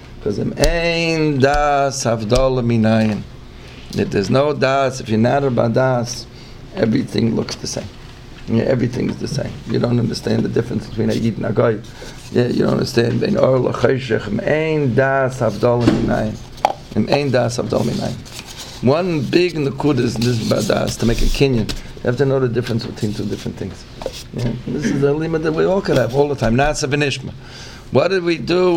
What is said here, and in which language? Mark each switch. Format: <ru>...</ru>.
<en>Because</en> <he>im ein das havdala minayin.</he> <en>If there's no das, if you're not about das, everything looks the same. Yeah, everything is the same. You don't understand the difference between a yid and a goy. Yeah, you don't understand.</en> <he>Im ein das havdala minayin. Im ein das havdala minayin.</he> <en>One big nekuda is this about das, to make a kinyan. You have to know the difference between two different things. Yeah. This is a lima that we all could have all the time.</en> <he>Nasa v'nishma.</he> <en>What did we do?</en>